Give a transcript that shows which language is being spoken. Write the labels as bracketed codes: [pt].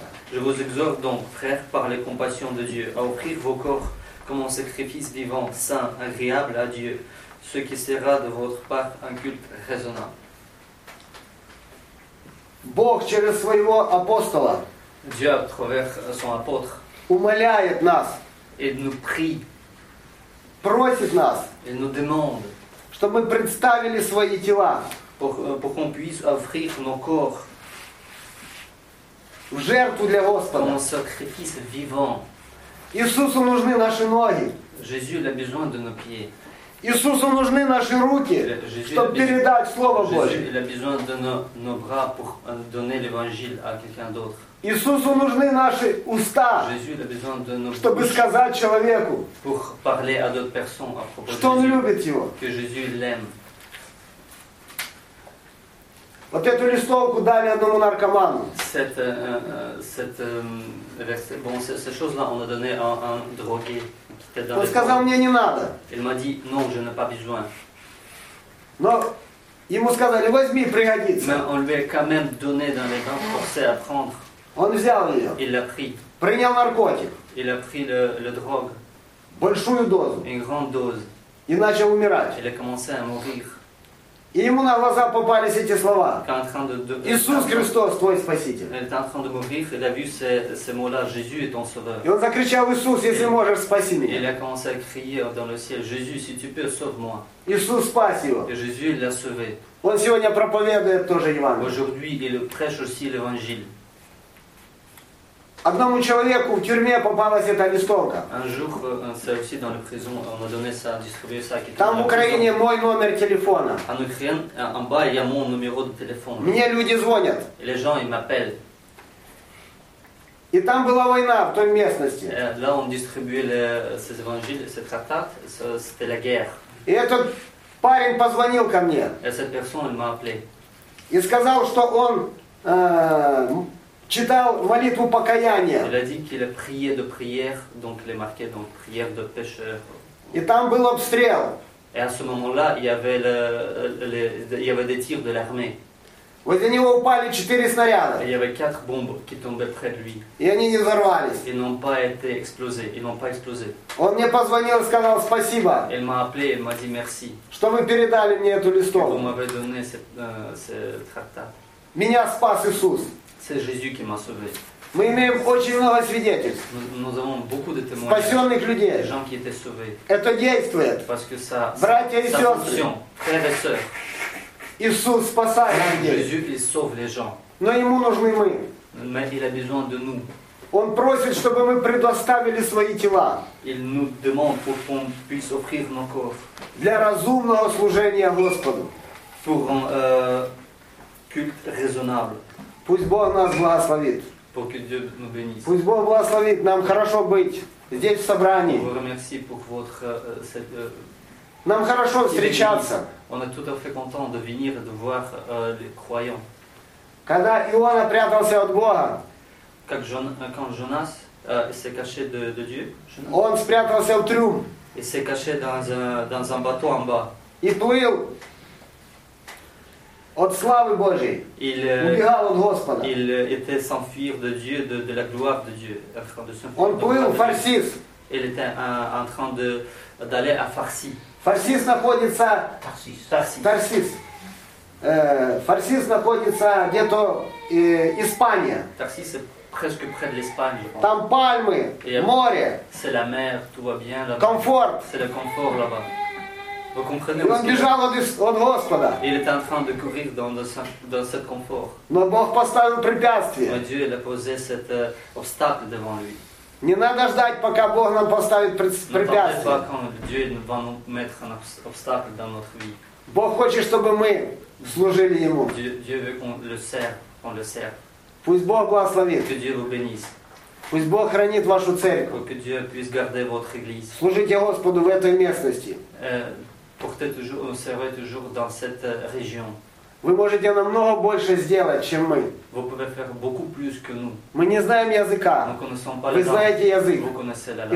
[fr] Je vous exhorte donc, frères, par les compassions de Dieu, à offrir vos corps comme un sacrifice vivant, saint, agréable à Dieu, ce qui sera de votre part un culte raisonnable. [ru] Бог через своего апостола. [fr] Dieu à travers son apôtre. [ru] Умоляет нас. [fr] Il nous prie. [ru] Просит нас. [fr] Il nous demande. [ru] Чтобы мы представили свои тела. [fr] Pour qu'on puisse offrir nos corps. [ru] В жертву для Господа. [fr] Comme un sacrifice vivant. [ru] Иисусу нужны наши ноги. [fr] Jésus a besoin de nos pieds. [ru] Иисусу нужны наши руки, чтобы передать Слово Божие. [fr] Jésus a besoin de nos bras pour donner l'Évangile à quelqu'un d'autre. [ru] Иисусу нужны наши уста, чтобы сказать человеку, [fr] pour parler à d'autres personnes à propos [ru] что он любит его. [fr] Que Jésus l'aime. [ru] Вот эту листовку дали одному наркоману. [fr] Cette chose-là, on a donné à un drogué. [ru] Он сказал мне не надо. [fr] Il m'a dit, non, je n'ai pas besoin. [ru] Но ему сказали возьми пригодится. [fr] Mais on lui a quand même donné dans les bras forcé à prendre. [ru] Он взял ее. [fr] Il l'a pris. [ru] Принял наркотик. [fr] Il a pris le drogue. [ru] Большую дозу. [fr] Une grande dose. [ru] И начал умирать. [fr] Il a commencé à mourir. [ru] И ему на глаза попались эти слова. Иисус Христос, твой Спаситель. [fr] Il est en train de mourir, il a vu ces mots-là, Jésus est ton Sauveur. [ru] И он закричал, Иисус, если можешь, спаси меня. [fr] Il a commencé à crier dans le ciel, Jésus, si tu peux, sauve-moi. [ru] Иисус спас его. [fr] Et Jésus l'a sauvé. [ru] Он сегодня проповедует тоже Евангелие. [fr] Aujourd'hui, il prêche aussi l'Évangile. [ru] Одному человеку в тюрьме попалась эта листовка. [fr] Un jour, c'est aussi dans la prison, on a donné ça, distribué ça. [ru] Там в Украине мой номер телефона. [fr] En Ukraine, en bas, il y a mon numéro de téléphone. [ru] Мне люди звонят. [fr] Les gens, ils m'appellent. [ru] И там была война в той местности. [fr] Là, on distribuait ces évangiles, ces tractats, c'était la guerre. [ru] И этот парень позвонил ко мне. [fr] Et cette personne, elle m'a appelé. [ru] И сказал, что он читал молитву покаяния. [fr] Il a dit qu'il a prié de prière, donc il est marqué donc prière de pécheur. [ru] И там был обстрел. [fr] Et à ce moment-là, il y avait des tirs de l'армée. [ru] Возле него упали 4 снаряда. [fr] Il y avait 4 bombes qui tombaient près de lui. [ru] И они не взорвались. [fr] Ils n'ont pas été explosés. Ils n'ont pas explosé. [ru] Он мне позвонил, сказал спасибо. [fr] Il m'a appelé, il m'a dit merci. [ru] Что вы передали мне эту листовку? [fr] Vous m'avez donné ce tractat. [ru] Меня спас Иисус. [fr] C'est Jésus qui m'a sauvé. [ru] Мы имеем очень много свидетельств. [fr] Nous avons beaucoup de témoignages. [ru] Спасенных людей. [fr] Des gens qui étaient sauvés. [ru] Это действует. [fr] Parce que ça, [ru] братья и [fr] ça [ru] сестры. [fr] Frères et sœurs. [ru] Иисус спасает людей. [fr] Jésus, il sauve les gens. [ru] Но ему нужны мы. [fr] Mais il a besoin de nous. [ru] Он просит, чтобы мы предоставили свои тела. [fr] Il nous demande pour qu'on puisse offrir nos corps. [ru] Для разумного служения Господу. [fr] Pour un culte raisonnable. [ru] Пусть Бог нас благословит. [fr] Pour que Dieu nous bénisse. [ru] Пусть Бог благословит нам хорошо быть здесь в собрании. [fr] Vous remercie pour votre, [ru] нам хорошо встречаться. [fr] On est tout à fait content de venir de voir les croyants. [ru] Когда Иона прятался от Бога, как [fr] quand Jonas s'est caché de Dieu, [ru] он спрятался в трюм. [fr] Il s'est caché dans un bateau en bas. [ru] И плыл. От славы Божьей. [fr] Il, [ru] убегал от Господа. [fr] Il était sans fuir de Dieu, de la gloire de Dieu. [ru] Он плыл в Фарсис. [fr] Il était en train d'aller à Farsi. [ru] Фарсис находится... Тарсис. Фарсис находится где-то Испания. [fr] Тарсис est presque près de l'Espagne. [ru] Там пальмы, море. [fr] C'est la mer, tout va bien là-bas. [ru] Комфорт. [fr] C'est le confort là-bas. Vous comprenez aussi. Il [ru] бежал [fr] от Господа. Il était en train de courir dans ce confort. [ru] Но Бог поставил препятствие. [fr] Mais Dieu a posé cet obstacle devant lui. [ru] Не надо ждать, пока Бог нам поставит препятствие. [fr] Mais quand Dieu va nous mettre un obstacle dans notre vie. [ru] Бог хочет, чтобы мы служили ему. [fr] Dieu veut qu'on le serve. [ru] Пусть Пусть Бог благословит. [fr] Que Dieu vous bénisse. [ru] Пусть Бог хранит вашу церковь. [fr] Que Dieu puisse garder votre église. [ru] Служите Господу в этой местности. [fr] Portez toujours, servez toujours dans cette région. [ru] Вы можете намного больше сделать, чем мы. [fr] Vous pouvez faire beaucoup plus que nous. [ru] Мы не знаем языка. [fr] Nous connaissons pas [ru] вы знаете язык. [fr] Vous connaissez la langue.